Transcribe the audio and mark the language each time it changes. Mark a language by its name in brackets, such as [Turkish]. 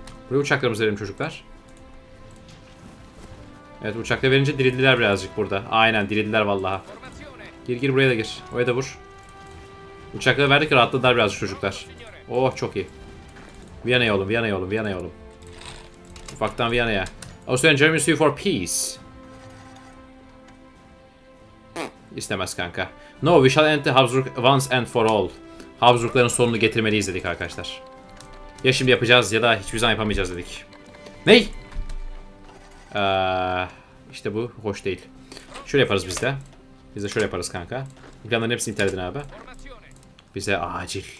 [Turkish] Buraya uçaklarımızı verelim çocuklar. Evet, uçakta verince dirildiler birazcık burada. Aynen dirildiler vallahi. Gir gir buraya da gir. Oraya da vur. Uçakta verdik rahatladılar birazcık çocuklar. Oh çok iyi. Viyana'ya oğlum, Viyana'ya oğlum, Viyana'ya oğlum. Ufaktan Viyana'ya. [English] Austrian Germany sue for peace. [Turkish] İstemez kanka. [English] No, we shall end the Habsburg once and for all. [Turkish] Habsburgların sonunu getirmeliyiz dedik arkadaşlar. Ya şimdi yapacağız ya da hiçbir zaman yapamayacağız dedik. Ney? İşte bu hoş değil. Şöyle yaparız biz de. Biz de şöyle yaparız kanka. İlkanların hepsini terledin abi. Bize acil.